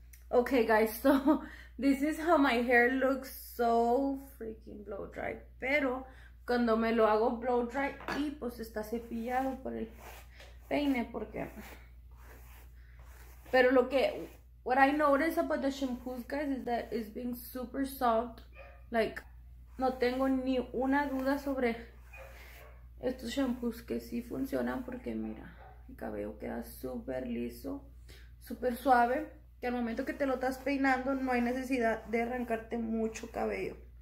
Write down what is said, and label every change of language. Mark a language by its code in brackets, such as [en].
[en] Okay, guys, so this is how my hair looks so freaking blow dry. [es] Pero cuando me lo hago blow dry, y pues está cepillado por el peine, porque. Pero lo que. [en] What I notice about the shampoos, guys, is that it's being super soft. [es] Like, no tengo ni una duda sobre estos shampoos que sí funcionan, porque mira, mi cabello queda super liso, super suave. Que al momento que te lo estás peinando, no hay necesidad de arrancarte mucho cabello.